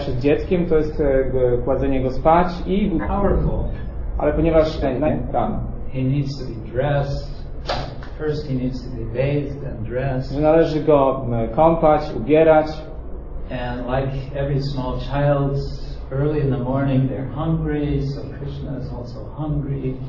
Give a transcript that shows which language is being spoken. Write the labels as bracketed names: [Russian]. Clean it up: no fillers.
[Polish] się z dzieckiem, to jest kładzenie go spać i [English] powerful, [Polish] ale ponieważ [English] he needs to be dressed. First he needs to be bathed and dressed. [Polish] Należy go kąpać, ubierać. [English] And like every small child, early in the morning they're hungry, so Krishna is also hungry.